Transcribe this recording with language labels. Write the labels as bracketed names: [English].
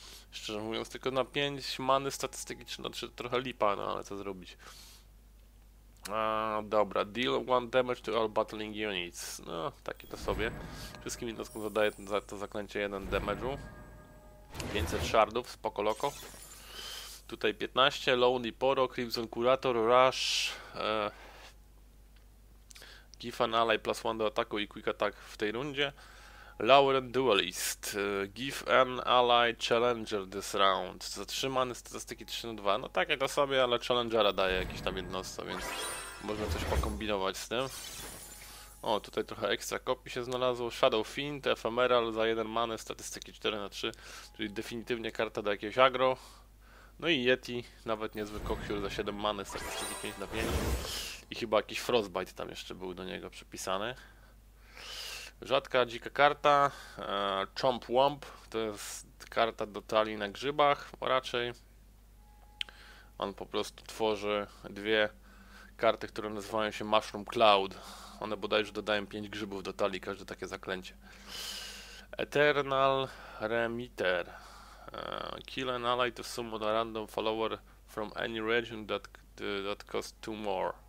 [Polish] Szczerze mówiąc, tylko na 5 many statystyki 3 na 3 to trochę lipa, no ale co zrobić. Dobra, [English] deal 1 damage to all battling units. [Polish] No, takie to sobie. Wszystkim jednostkom zadaje to zaklęcie 1 damage'u. 500 shardów, spoko loko. Tutaj 15, Lonely Poro, Crimson Curator, Rush. [English] Give an ally plus 1 [Polish] do ataku i [English] quick attack [Polish] w tej rundzie. [English] Lauren Duelist, give an ally challenger this round. [Polish] Zatrzymany statystyki 3 na 2. No tak, jak to sobie, ale challengera daje jakieś tam jednostka, więc można coś pokombinować z tym. O, tutaj trochę ekstra kopii się znalazło. Shadow Fiend, Ephemeral za 1 many, statystyki 4 na 3. Czyli definitywnie karta do jakiegoś agro. No i Yeti, nawet niezwykły kokciur za 7 many, statystyki 5 na 5. I chyba jakiś Frostbite tam jeszcze był do niego przypisany. Rzadka, dzika karta, Chomp Womp, to jest karta do talii na grzybach, raczej. On po prostu tworzy dwie karty, które nazywają się Mushroom Cloud. One bodajże dodają 5 grzybów do talii, każde takie zaklęcie. [English] Eternal Remitter. Kill an ally to summon a random follower from any region that costs 2 more.